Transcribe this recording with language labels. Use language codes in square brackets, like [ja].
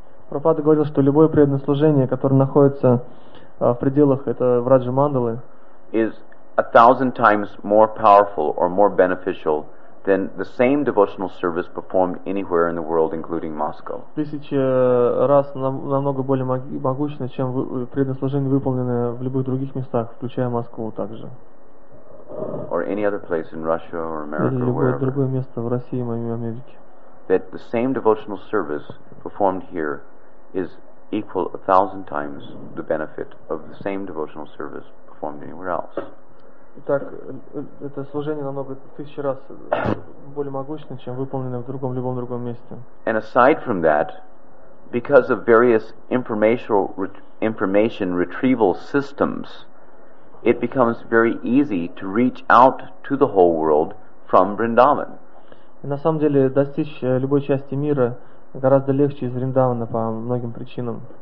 [ru] Прабхупада говорил, что любое преданное служение, которое находится в пределах это Враджа Мандалы, [en] is a thousand times more powerful or more beneficial than the same devotional service performed anywhere in the world, including Moscow. [ru] Тысячи раз намного более могущественно, чем преданное служение, выполненное в любых других местах, включая Москву также. [en] Or any other place in Russia or America or wherever. [ru] Любое другое место в России или в Америке. [en] That the same devotional service performed here is equal a thousand times the benefit of the same devotional service performed anywhere else. [ru] Итак, это служение намного тысячи раз более могущественно, чем выполненное в другом любом другом месте. [en] And aside from that, because of various information retrieval systems, it becomes very easy to reach out to the whole world from Vrindavan. [ru] И на самом деле достичь любой части мира гораздо легче из Вриндавана по многим причинам.